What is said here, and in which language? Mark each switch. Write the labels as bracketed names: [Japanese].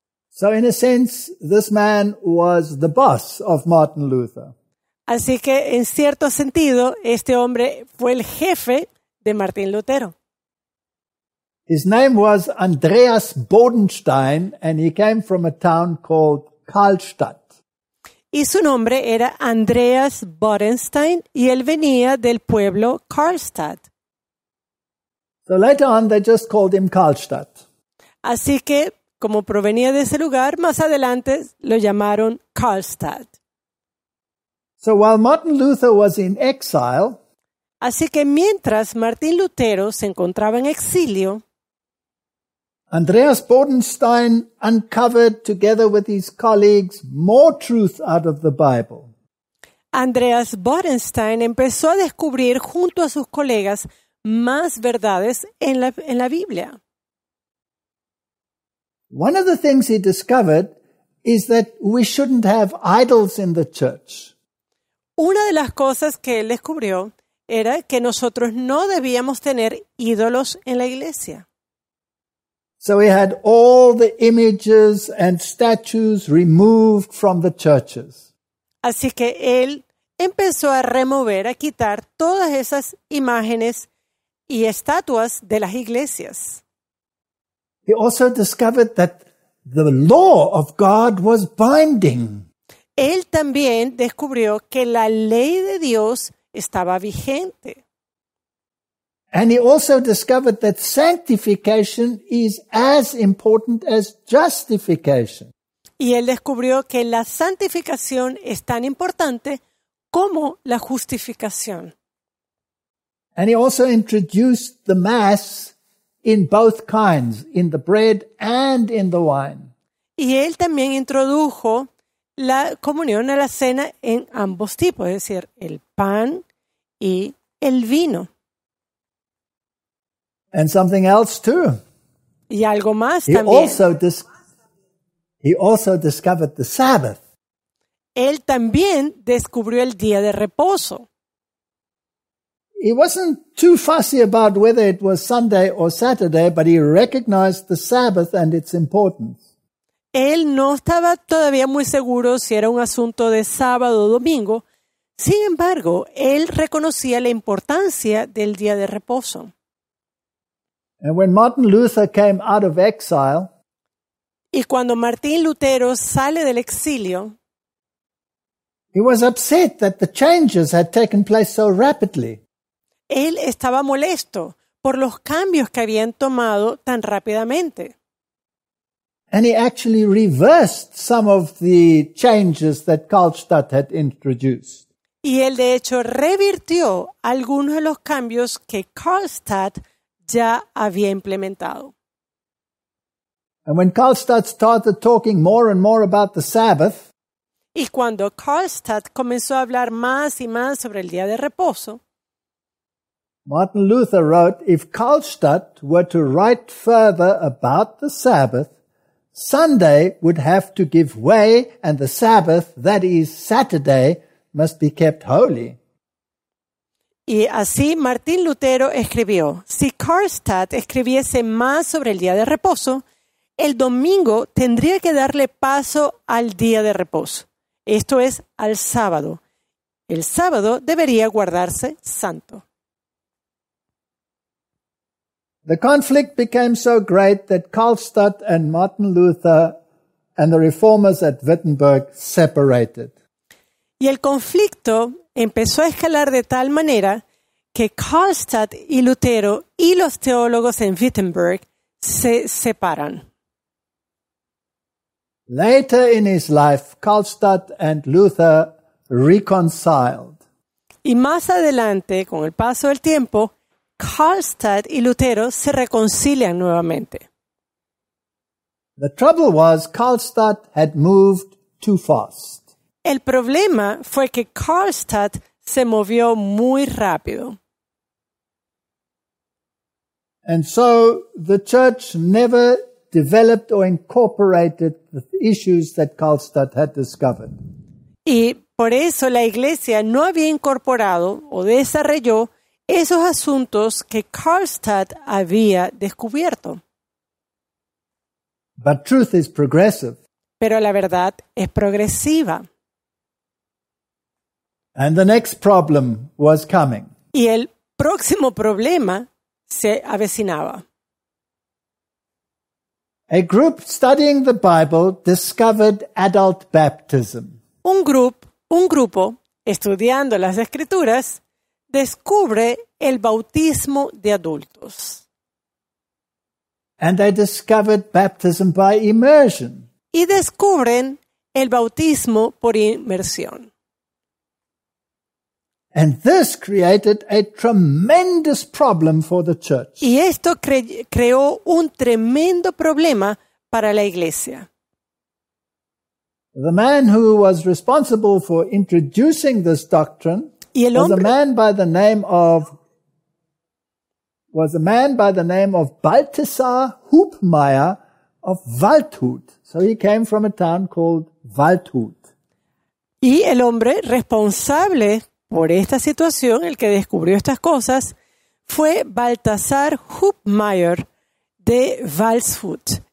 [English] So, in a sense, this man was the boss of Martin Luther. [Spanish] Así que, en cierto sentido, este hombre fue el jefe de Martín Lutero. [English] His name was Andreas Bodenstein, and he came from a town called Karlstadt. [Spanish] Y su nombre era Andreas Bodenstein, y él venía del pueblo Karlstadt. [English] So later on, they just called him Karlstadt. [Spanish] Así que, como provenía de ese lugar, más adelante lo llamaron Karlstadt. [English] So while Martin Luther was in exile, [Spanish] así que mientras Martín Lutero se encontraba en exilio, [English] Andreas Bodenstein uncovered together with his colleagues more truth out of the Bible. [Spanish] Andreas Bodenstein empezó a descubrir junto a sus colegas más verdades en la Biblia. [English] One of the things he discovered is that we shouldn't have idols in the church. [Spanish] Una de las cosas que él descubrió era que nosotros no debíamos tener ídolos en la iglesia. [English] So he had all the images and statues removed from the churches. [Spanish] Así que él empezó a remover, a quitar todas esas imágenes y estatuas de las iglesias. [English] He also discovered that the law of God was binding. [Spanish] Él también descubrió que la ley de Dios estaba vigente. [English] And he also discovered that sanctification is as important as justification. [Spanish] Y él descubrió que la santificación es tan importante como la justificación. [English] And he also introduced the mass in both kinds, in the bread and in the wine. [Spanish] Y él también introdujo la comunión a la cena en ambos tipos, es decir, el pan y el vino. [English] And something else too. [Spanish] Y algo más también. [English] He also discovered the Sabbath. [Spanish] Él también descubrió el día de reposo. [English] He wasn't too fussy about whether it was Sunday or Saturday, but he recognized the Sabbath and its importance. [Spanish] Él no estaba todavía muy seguro si era un asunto de sábado o domingo. Sin embargo, él reconocía la importancia del día de reposo. [English] And when Martin Luther came out of exile, [Spanish] y cuando Martín Lutero sale del exilio, [English] he was upset that the changes had taken place so rapidly. [Spanish] Él estaba molesto por los cambios que habían tomado tan rápidamente. [English] And he actually reversed some of the changes that Karlstadt had introduced. [Spanish] Y él de hecho revirtió algunos de los cambios que Karlstadt ya había implementado. [English] And when Karlstadt started talking more and more about the Sabbath, [Spanish] y cuando Karlstadt comenzó a hablar más y más sobre el día de reposo, [English] Martin Luther wrote, "If Karlstadt were to write further about the Sabbath, Sunday would have to give way, and the Sabbath, that is Saturday, must be kept holy. [Spanish] Y así Martín Lutero escribió, si Karlstadt escribiese más sobre el día de reposo, el domingo tendría que darle paso al día de reposo, esto es, al sábado. El sábado debería guardarse santo. [English] The conflict became so great that Karlstadt and Martin Luther and the reformers at Wittenberg separated. [Spanish] Y el conflicto empezó a escalar de tal manera que Karlstadt y Lutero y los teólogos en Wittenberg se separan. [English] Later in his life, Karlstadt and Luther reconciled. [Spanish] Y más adelante, con el paso del tiempo, Karlstadt y Lutero se reconcilian nuevamente. [English] The trouble was Karlstadt had moved too fast. [Spanish] El problema fue que Karlstadt se movió muy rápido. [English] And so the church never developed or incorporated the issues that Karlstadt had discovered. [Spanish] Y por eso la iglesia no había incorporado o desarrolló esos asuntos que Karlstadt había descubierto. [English] But truth is progressive. [Spanish] Pero la verdad es progresiva. [English] And the next problem was coming. [Spanish] Y el próximo problema se avecinaba. [English] A group studying the Bible discovered adult baptism. [Spanish] Un grupo estudiando las Escrituras descubre el bautismo de adultos. [English] And they discovered baptism by immersion. [Spanish] Y descubren el bautismo por inmersión. [English] And this created a tremendous problem for the church. [Spanish] Y esto creó un tremendo problema para la iglesia. [English] The man who was responsible for introducing this doctrine was a man by the name of Balthasar Hubmaier of Waldhut. So he came from a town called Waldhut. [Spanish] Y el hombre responsable por esta situación, el que descubrió estas cosas, fue Balthasar Hubmaier de Waldhut.